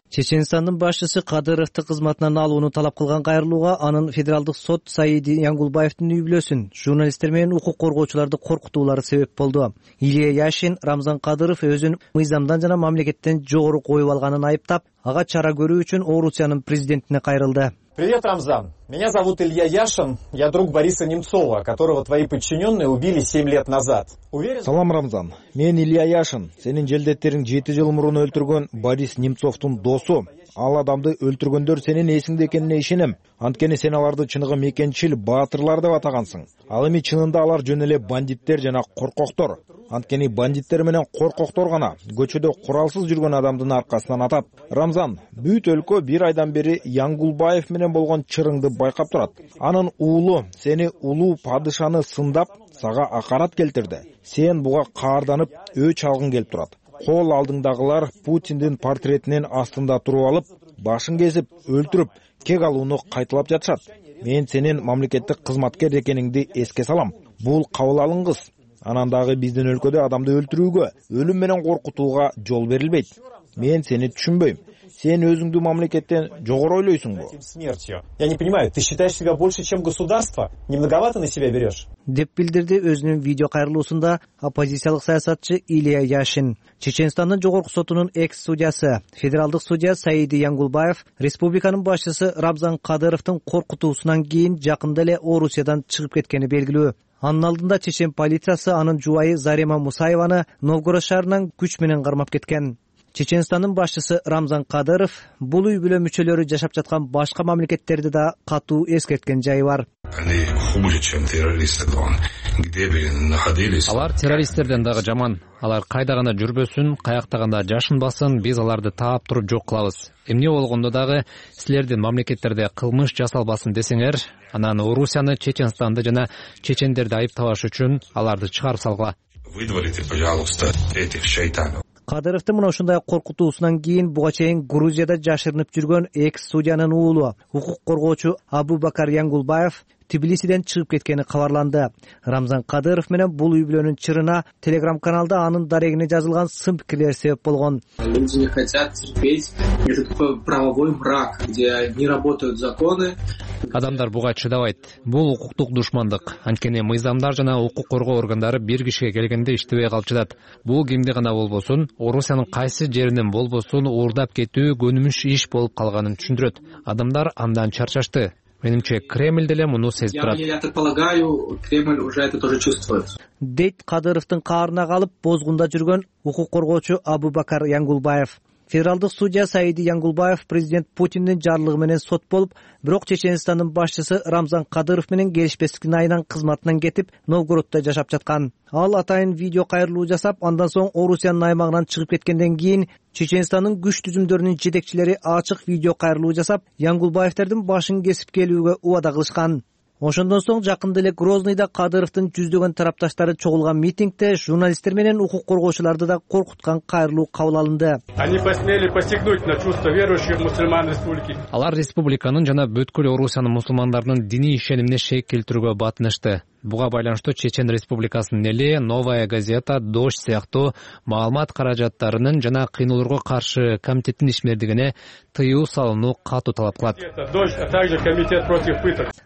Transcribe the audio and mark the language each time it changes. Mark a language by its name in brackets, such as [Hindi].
[Kyrgyz] Чечинстандын башчысы Кадыровду кызматтан алууну талап кылган кайрылууга анын федералдык сот Саид Янгулбаевдин үй бүлөсүн, журналисттер менен укук коргоочуларды коркутуулары себеп болду. Илия Яшин Рамзан Кадыров өзүн мыйзамдан жана мамлекеттен жогору коюп алганын айыптап, ага чара көрүү үчүн Орусиянын президентине кайрылды. [Russian] Привет, Рамзан. Меня зовут Илья Яшин. Я друг Бориса Немцова, которого твои подчиненные убили 7 лет назад. [Kyrgyz] Уверен... Салам, Рамзан. Мен Илья Яшин. Сенин желдеттерин 7 жыл мурун өлтүргөн Борис Немцовтун досу. Ал адамды өлтүргөндөр сенин эсиңде экенине ишенем. Анткени сен аларды чыныгы мекенчил баатырлар деп атагансың. Ал эми чынында алар жөн эле бандиттер жана коркоктор. Анткени бандиттер менен коркоктор гана көчөдө куралсыз жүргөн адамдын аркасынан атат. Рамзан, бүт өлкө бир айдан бери Янгулбаев менен болгон чырыңды байкап турат. Анын уулу сени улуу падышаны сындап, сага акарат келтирди. Сен буга каарданып, өч алгың келип турат. Кол алдыңдагылар Путиндин портретинин астында туруп алып, башын кесип, өлтүрүп, кек алууну кайталап жатышат. Мен сенин мамлекеттик кызматкер экениңди эске салам. Бул кабыл алыңыз. Анан дагы биздин өлкөдө адамды өлтүрүүгө, өлүм менен коркутууга жол берилбейт. Мен сени түшүнбөйм. Сен өзүңдү мамлекеттен жогору ойлойсуңбу? [Russian] Я не понимаю, ты считаешь себя больше, чем государство? Немноговато на себя берешь? [Kyrgyz] Деп билдирди өзүнүн видео кайрылуусунда оппозициялык саясатчы Илия Яшин. Чечинстандын жогорку сотунун экс судьясы, федералдык судья Саид Янгулбаев, республиканын башчысы Рамзан Кадыровдун коркутуусунан кийин жакында эле Орусиядан чыгып кеткени белгилүү. Анын алдында чечен полициясы анын жубайы Зарема Мусаеваны Новгород шаарынан күч менен кармап кеткен. Чеченстандын башчысы Рамзан Кадыров бул үй бүлө мүчөлөрү жашап жаткан башка мамлекеттерди да катуу эскерткен жай бар. [Russian] Они хуже, чем террористы. Где бы находились? [Kyrgyz] Алар террористтерден дагы жаман. Алар кайда гана жүрбөсүн, каякта гана жашынбасын, биз аларды таап туруп жок кылабыз. Эмне болгондо дагы силердин мамлекеттерде кылмыш жасалбасын десеңер, анан Орусияны, Чеченстанды жана чечендерди айыптабаш үчүн аларды чыгарып салгыла. [Russian] Выдворите, пожалуйста, этих шайтанов. [Kyrgyz] Кадыровдун мына ушундай коркутуусунан кийин буга чейин Грузияда жашырынып жүргөн экс судьянын уулу укук коргоочу Абубакар Янгулбаев Тбилисиден чыгып кеткени кабарланды. Рамзан Кадыров менен бул үй бүлөнүн чырына телеграм каналда анын дарегине жазылган сын пикирлер себеп болгон. [Russian] Люди не хотят терпеть этот правовой мрак, где не работают законы. [Kyrgyz] Адамдар буга чыдабайт. Бул укуктук душмандык. Анткени мыйзамдар жана укук коргоо органдары бир кишиге келгенде иштебей калып жатат. Бул кимди гана болбосун, Орусиянын кайсы жеринен болбосун уурдап кетүү көнүмүш иш болуп калганын түшүндүрөт. Адамдар андан чарчашты. Менимче Кремль деле муну сезип турат. [Russian] Я так полагаю, Кремль уже это тоже чувствует. [Kyrgyz] Дейт Кадыровдун каарына калып бозгунда жүргөн укук коргоочу Абубакар Янгулбаев. Федералдык судья Саид Янгулбаев президент Путиндин жарлыгы менен сот болуп, бирок Чеченстандын башчысы Рамзан Кадыров менен келишпестиктин айынан кызматынан кетип, Новгородто жашап жаткан. Ал атайын видео кайрылуу жасап, андан соң Орусиянын аймагынан чыгып кеткенден кийин Чеченстандын күч түзүмдөрүнүн жетекчилери ачык видео кайрылуу жасап, Янгулбаевтердин башын кесип келүүгө убада кылышкан. Ошондон соң жакында эле Грозныйда Кадыровдун жүздөгөн тарапташтары чогулган митингде журналисттер менен укук коргоочуларды да коркуткан кайрылуу кабыл алынды. [Russian] Они посмели посягнуть на чувства верующих мусульман республики. [Kyrgyz] Алар республиканын жана бүткүл Орусиянын мусулмандарынын диний ишенимине шек келтирүүгө батынышты. Буга байланыштуу Чечен Республикасынын эле Новая газета, Дождь сыяктуу маалымат каражаттарынын жана кыйноолорго каршы комитеттин ишмердигине тыюу салынуу катуу талап кылат.